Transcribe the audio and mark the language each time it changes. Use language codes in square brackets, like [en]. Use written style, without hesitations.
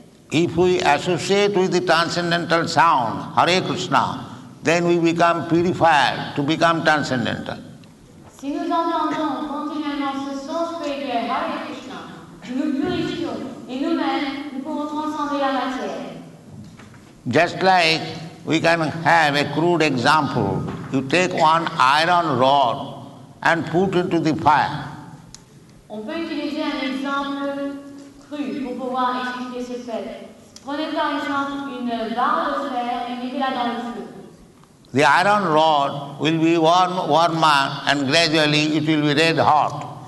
[en] If we associate with the transcendental sound, Hare Krishna, then we become purified to become transcendental. [fr] Si nous entendons continuellement ce son spirituel, Hare Krishna, nous purifions et nous-mêmes, nous pouvons transcender la matière. [en] Just like we can have a crude example, you take one iron rod and put into the fire. [fr] On peut utiliser un exemple cru pour pouvoir expliquer ce fait. Prenez par exemple une barre de fer et mettez-la dans le feu. [en] The iron rod will be warmer and gradually it will be red hot.